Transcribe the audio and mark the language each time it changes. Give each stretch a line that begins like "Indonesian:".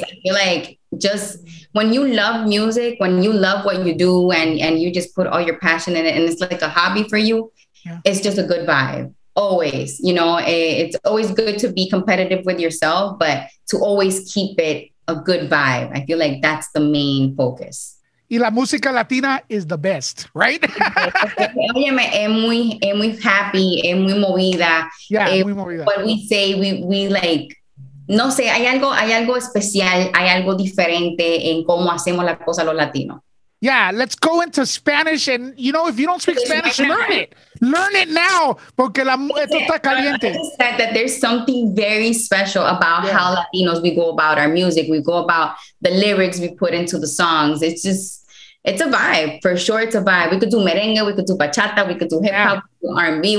English: Yeah. I feel like just when you love music, when you love what you do, and you just put all your passion in it, and it's like a hobby for you, it's just a good vibe. Always, you know, it's always good to be competitive with yourself, but to always keep it a good vibe. I feel like that's the main focus.
Spanish: Y la música latina
English: is the best, right?
Spanish: Óyeme, es muy happy, es muy movida. Yeah, muy movida.
English: What we say, we like,
Spanish: no sé, hay algo especial, hay algo diferente en cómo hacemos las cosas los latinos.
English: Yeah, let's go into Spanish. And, you know, if you don't speak Spanish, learn it. Learn it now,
Spanish: porque esto está caliente.
English: I just said that there's something very special about how Latinos, we go about our music, we go about the lyrics we put into the songs. It's just, it's a vibe, for sure. It's a vibe. We could do merengue, we could do bachata, we could do hip hop, R&B.